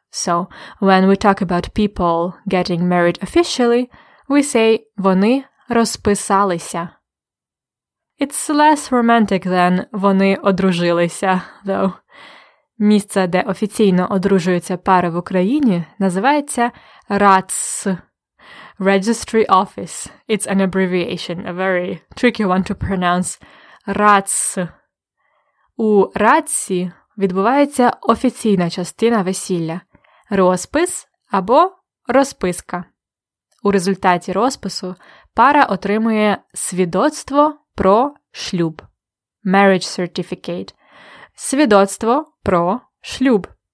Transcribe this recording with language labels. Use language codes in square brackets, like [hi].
[en] So, when we talk about people getting married officially, we say [uk] вони розписалися. [en] It's less romantic than [uk] вони одружилися, [en] though. [uk] Місце, де офіційно одружуються пари в Україні, називається РАЦС. [en] Registry Office. It's an abbreviation, a very tricky one to pronounce. [uk] РАЦС. У РАЦСі відбувається офіційна частина весілля. Розпис або розписка. У результаті розпису пара отримує свідоцтво про шлюб. [en] Marriage Certificate. [uk] Свідоцтво про шлюб.